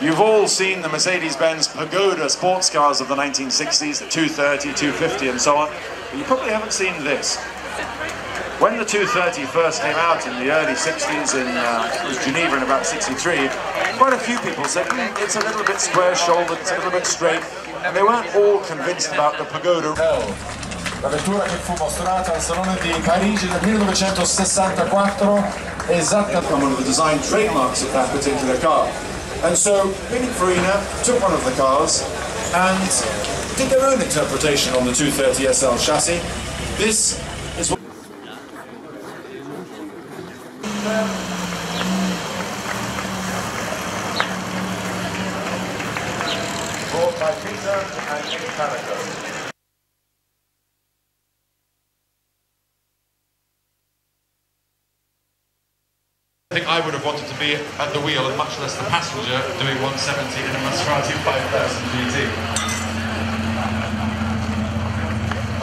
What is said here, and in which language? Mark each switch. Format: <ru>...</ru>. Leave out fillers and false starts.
<en>You've all seen the Mercedes-Benz Pagoda sports cars of the 1960s, the 230, 250 and so on, but you probably haven't seen this. When the 230 first came out in the early 60s in Geneva in about 63, quite a few people said, it's a little bit square-shouldered, it's a little bit straight, and they weren't all convinced about the Pagoda.</en> <it>La vettura che fu mostrata al Salone di Parigi nel 1964 esattamente</it> <en>one of the design trademarks of that particular car. And so Pininfarina took one of the cars and did their own interpretation on the 230 SL chassis. This is what I think I would have wanted to be at the wheel, and much less the passenger, doing 170 in a Maserati 5000 GT.</en>